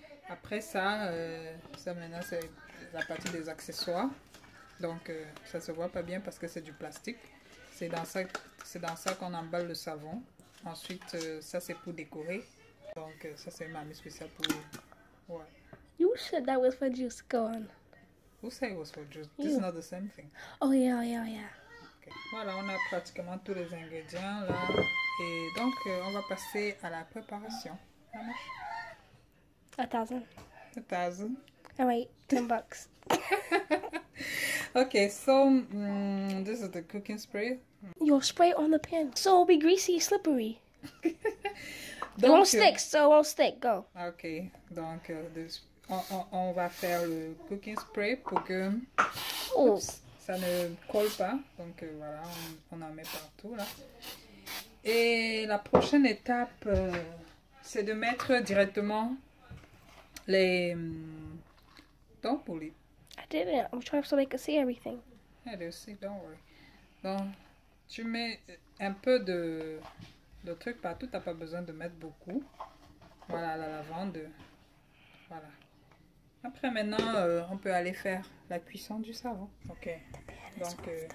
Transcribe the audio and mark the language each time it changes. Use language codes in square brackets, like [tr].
[fr] Après ça, ça maintenant, c'est la partie des accessoires. Donc, ça se voit pas bien parce que c'est du plastique. C'est dans ça qu'on emballe le savon. Ensuite, ça, c'est pour décorer. Donc, ça, c'est ma mise spéciale pour... Ouais. [en] You said that was for juice. Go on. Who said it was for juice? This is not the same thing. Oh yeah, yeah, yeah. Okay. [fr] Voilà, on a pratiquement tous les ingrédients là. Et donc, on va passer à la préparation. [en] How much? 1,000. 1,000? All right, 10 bucks. Okay, so this is the cooking spray. You'll spray it on the pan. So it'll be greasy, slippery. Donc, it won't stick, so it won't stick. Go. Okay, donc, this... [fr] On va faire le cooking spray pour que ça ne colle pas. Donc voilà, on en met partout là. Et la prochaine étape, c'est de mettre directement les dents pour les... [en] I didn't. I'm trying so they can see everything. Yeah, they see, don't worry. [fr] Donc, tu mets un peu de truc partout. T'as pas besoin de mettre beaucoup. Voilà, la lavande. Voilà. Après, maintenant, on peut aller faire la cuisson du savon. Ok. Donc,